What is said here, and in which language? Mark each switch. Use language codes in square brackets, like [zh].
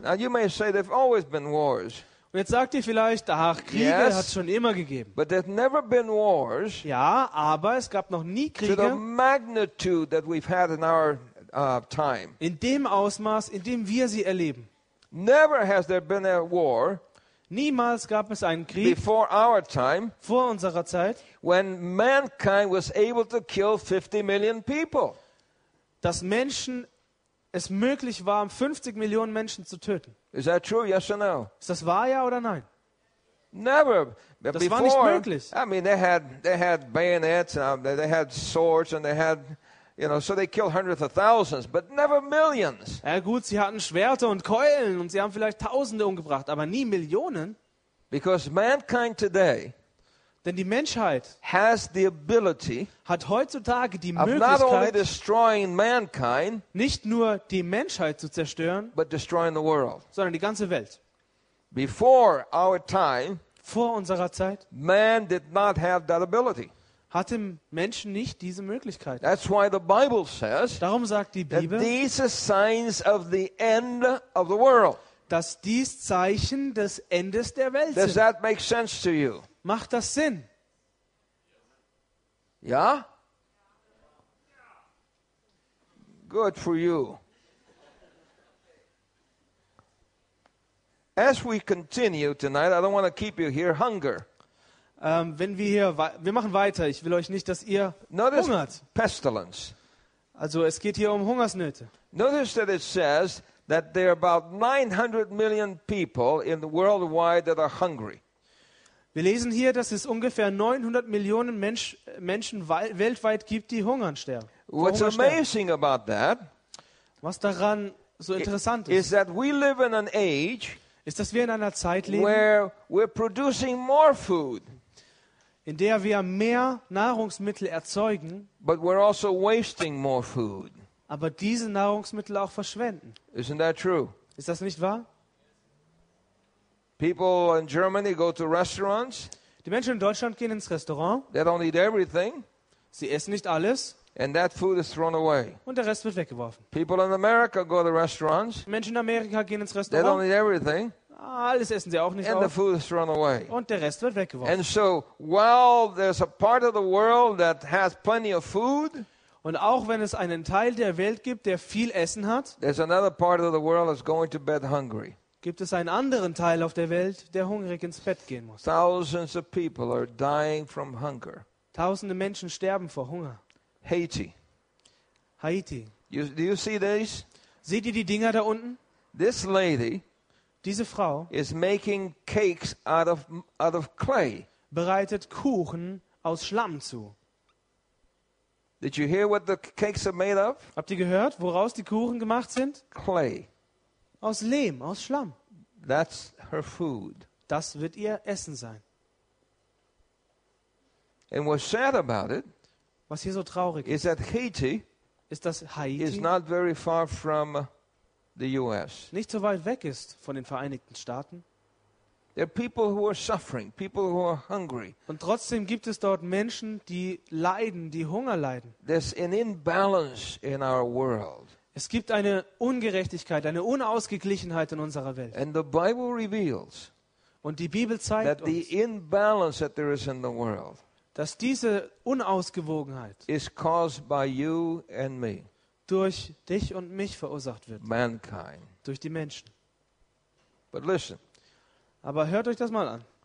[en] Now you may say there've always been wars. [de] Und jetzt sagt ihr vielleicht, ach, Kriege [en] yes, [de] hat es schon immer gegeben. [en] But there've never been wars, [de] ja, aber es gab noch nie Kriege. [en] To the magnitude that we've had in our time. [de] In dem Ausmaß, in dem wir sie erleben. [en] Never has there been a war. [de] Niemals gab es einen Krieg. [en] Before our time. [de] Vor unserer Zeit. [en] When mankind was able to kill 50 million people. [de] Dass Menschen es möglich war, 50 Millionen Menschen zu töten. [en] Is that true? Yes or no? [de] Ist das wahr, ja oder nein? [en] Never. [de] Das [en] before, [de] war nicht möglich. [en] I mean, they had bayonets, they had swords, and they had, you know, so they killed hundreds of thousands, but never millions. [de] Ja gut, sie hatten Schwerter und Keulen und sie haben vielleicht Tausende umgebracht, aber nie Millionen. [en] Because mankind today, [de] denn die Menschheit [en] has the ability, [de] hat heutzutage die [en] of [de] Möglichkeit, [en] not only destroying mankind, [de] nicht nur die Menschheit zu zerstören, [en] but destroying the world, [de] sondern die ganze Welt. [en] Before our time, [de] vor unserer Zeit, [en] man did not have that ability. [de] Hatten Menschen nicht diese Möglichkeit. [en] That's why the Bible says, [de] darum sagt die Bibel, [en] these are signs of the end of the world. [de] dass dies Zeichen des Endes der Welt sind. [en] Does that make sense to you? [de] Macht das Sinn? Ja? [en] Good for you. As we continue tonight, I don't want to keep you here, hunger. [de] Wir machen weiter. Ich will euch nicht, dass ihr [en] notice [de] hungert. [en] Pestilence. [de] Also es geht hier um Hungersnöte. [en] Notice that it says that there are about 900 million people in the worldwide that are hungry. [de] Wir lesen hier, dass es ungefähr 900 Millionen Menschen weltweit gibt, die hungern sterben. [en] What's amazing about that? [de] Was daran so interessant ist? [en] Is that we live in an age [de] ist, dass wir in einer Zeit leben, [en] where we're producing more food, [de] in der wir mehr Nahrungsmittel erzeugen, [en] but we're also wasting more food. [de] Aber diese Nahrungsmittel auch verschwenden. [en] Isn't that true? [de] Ist das nicht wahr? [en] People in Germany go to restaurants. [de] Die Menschen in Deutschland gehen ins Restaurant. [en] They don't eat everything. [de] Sie essen nicht alles. [en] And that food is thrown away. [de] Und der Rest wird weggeworfen. [en] People in America go to restaurants. [de] Menschen in Amerika gehen ins Restaurant. [en] They don't eat everything. [de] Alles essen sie auch nicht [en] and [de] auf. [en] The food is thrown away. [de] Und der Rest wird weggeworfen. [en] And so, while there's a part of the world that has plenty of food, [de] und auch wenn es einen Teil der Welt gibt, der viel Essen hat, [en] there's another part of the world that's going to bed hungry. [de] Gibt es einen anderen Teil auf der Welt, der hungrig ins Bett gehen muss. [en] Thousands of people are dying from hunger. [de] Tausende Menschen sterben vor Hunger. [en] Haiti. Do you see this? [de] Seht ihr die Dinger da unten? [en] This lady, [de] diese Frau, [en] is making cakes out of clay. [de] Bereitet Kuchen aus Schlamm zu. [en] Did you hear what the cakes are made of? [de] Habt ihr gehört, woraus die Kuchen gemacht sind? [en] Clay. [de] Aus Lehm, aus Schlamm. [en] That's her food. [de] Das wird ihr Essen sein. [en] And what's sad about it? [de] Was hier so traurig ist, [en] that Haiti [de] ist, dass Haiti [en] is not very far from the US. [de] Nicht so weit weg ist von den Vereinigten Staaten. [en] There are people who are suffering, people who are hungry. [de] Und trotzdem gibt es dort Menschen, die leiden, die Hunger leiden. [en] There's an imbalance in our world. [de] Es gibt eine Ungerechtigkeit, eine Unausgeglichenheit in unserer Welt. [en] And the Bible reveals [de] und die Bibel zeigt [en] that the [de] uns, [en] imbalance that there is in the world [de] dass diese Unausgewogenheit [en] is caused by you and me. [de] Durch dich und mich verursacht wird. [en] Mankind. [de] Durch die Menschen. [en] But listen. [de] Aber hört euch das mal an.